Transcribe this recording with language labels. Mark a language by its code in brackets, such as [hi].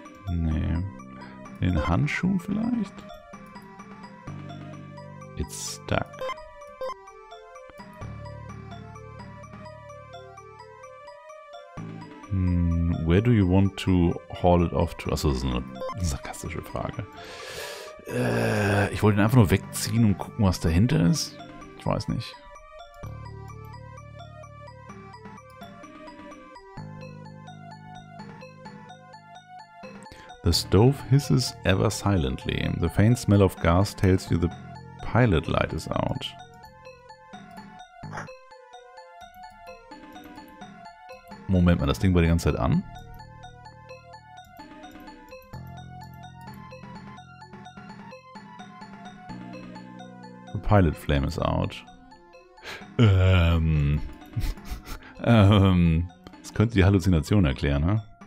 [de] Nee. Den Handschuhen vielleicht? [en] It's stuck. Hm. Where do you want to haul it off to? [de] Achso, das ist eine sarkastische Frage. Ich wollte ihn einfach nur wegziehen und gucken, was dahinter ist. Ich weiß nicht. [en] The stove hisses ever silently. The faint smell of gas tells you the pilot light is out. [de] Moment mal, das Ding war die ganze Zeit an. [en] The pilot flame is out. [de] Das könnte die Halluzination erklären, ne?